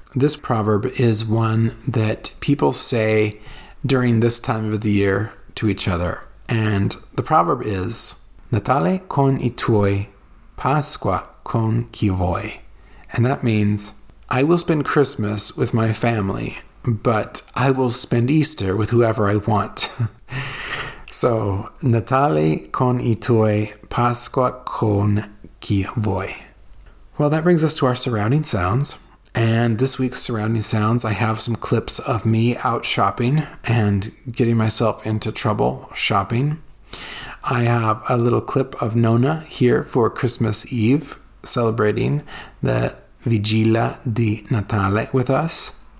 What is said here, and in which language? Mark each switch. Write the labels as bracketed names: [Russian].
[English] This proverb is one that people say during this time of the year to each other, and the proverb is [Italian] Natale con i tuoi, Pasqua con chi vuoi. [English] And that means, I will spend Christmas with my family, but I will spend Easter with whoever I want. [Italian] So, Natale con i tuoi, Pasqua con chi vuoi. [English] Well, that brings us to our surrounding sounds. And this week's surrounding sounds, I have some clips of me out shopping and getting myself into trouble shopping. I have a little clip of Nona here for Christmas Eve, celebrating the Vigilia di Natale with us.